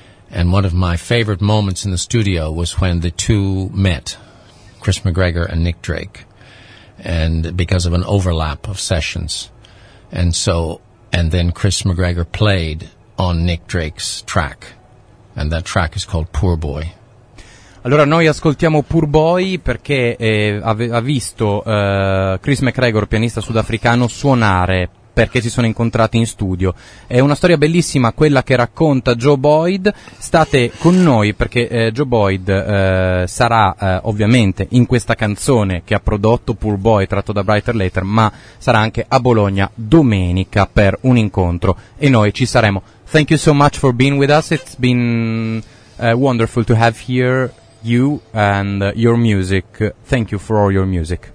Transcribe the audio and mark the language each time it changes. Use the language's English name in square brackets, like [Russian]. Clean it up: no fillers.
[English] And one of my favorite moments in the studio was when the two met, Chris McGregor and Nick Drake, and because of an overlap of sessions. And so, and then Chris McGregor played on Nick Drake's track, and that track is called Poor Boy. [Italian] Allora noi ascoltiamo Poor Boy perché ha visto Chris McGregor, pianista sudafricano, suonare, perché si sono incontrati in studio. È una storia bellissima quella che racconta Joe Boyd. State con noi perché Joe Boyd sarà ovviamente in questa canzone che ha prodotto Poor Boy, tratto da Brighter Later, ma sarà anche a Bologna domenica per un incontro e noi ci saremo. [English] Thank you so much for being with us. It's been wonderful to have here you and your music. Thank you for all your music.